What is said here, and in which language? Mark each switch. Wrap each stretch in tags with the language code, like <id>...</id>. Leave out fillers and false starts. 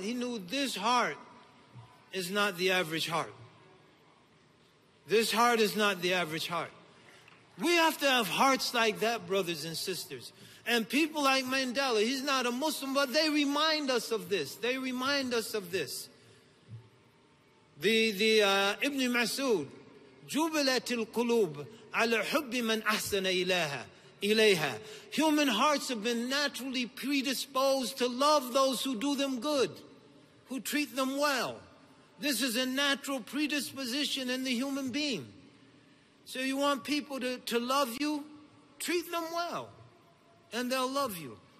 <en>He knew this heart is not the average heart. This heart is not the average heart. We have to have hearts like that, brothers and sisters. And people like Mandela, he's not a Muslim, but they remind us of this. They remind us of this.</en> <ar>The Ibn Mas'ud, جُبِلَتِ الْقُلُوبِ عَلَى حُبِّ مَنْ أَحْسَنَ إِلَيْهَا.</ar> <en>Human hearts have been naturally predisposed to love those who do them good, who treat them well. This is a natural predisposition in the human being. So you want people to love you, treat them well, and they'll love you.</en>